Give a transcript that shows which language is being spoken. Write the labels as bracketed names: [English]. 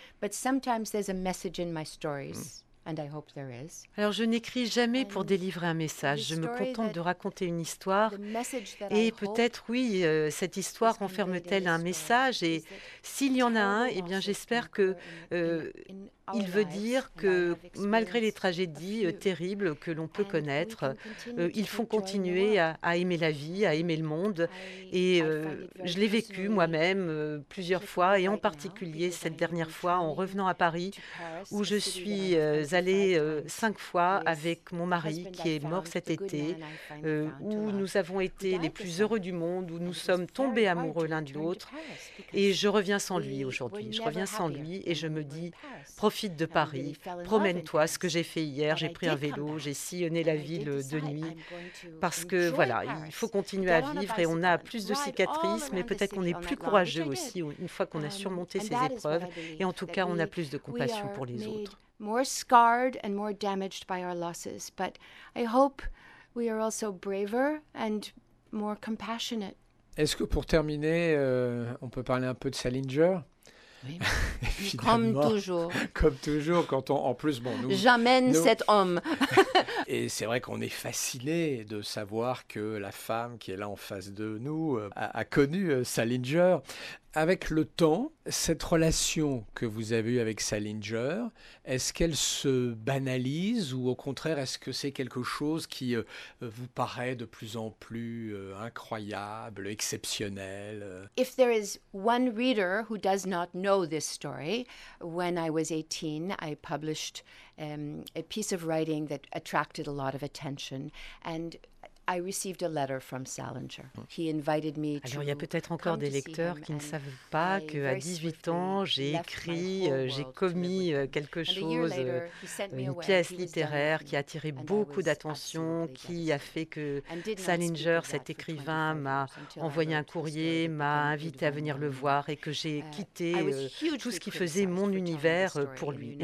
[English] But sometimes there's a message in my stories. And I hope there is. [French] Alors, je n'écris jamais pour délivrer un message. Je me contente de raconter une histoire. Et peut-être, oui, cette histoire renferme-t-elle un message? Et s'il y en a un, eh bien, j'espère que... Il veut dire que malgré les tragédies terribles que l'on peut connaître, il faut continuer à aimer la vie, à aimer le monde. Et je l'ai vécu moi-même plusieurs fois, et en particulier cette dernière fois en revenant à Paris, où je suis allée 5 fois avec mon mari qui est mort cet été, où nous avons été les plus heureux du monde, où nous sommes tombés amoureux l'un de l'autre. Et je reviens sans lui aujourd'hui. Je reviens sans lui et je me dis... Profite de Paris, promène-toi, ce que j'ai fait hier, j'ai pris un vélo, j'ai sillonné la ville de nuit, parce que voilà, il faut continuer à vivre et on a plus de cicatrices, mais peut-être qu'on est plus courageux aussi une fois qu'on a surmonté ces épreuves, et en tout cas on a plus de compassion pour les autres. [English] More scarred and more damaged by our losses, but I hope we are also braver and more compassionate. [French] Est-ce que pour terminer, on peut parler un peu de Salinger? Oui. Comme toujours. Comme toujours, quand on, en plus, bon, nous... J'amène cet homme. Et c'est vrai qu'on est fasciné de savoir que la femme qui est là en face de nous a connu Salinger. Avec le temps, cette relation que vous avez eue avec Salinger, est-ce qu'elle se banalise ou au contraire, est-ce que c'est quelque chose qui vous paraît de plus en plus incroyable, exceptionnel? [English] If there is one reader who does not know this story, when I was 18, I published a piece of writing that attracted a lot of attention and I received a letter from Salinger. He invited me to. [French] Alors, il y a peut-être encore des lecteurs qui ne savent pas que à 18 ans, j'ai commis quelque chose, une pièce littéraire qui a attiré beaucoup d'attention, qui a fait que Salinger, cet écrivain, m'a envoyé un courrier, m'a invité à venir le voir et que j'ai quitté tout ce qui faisait mon univers pour lui.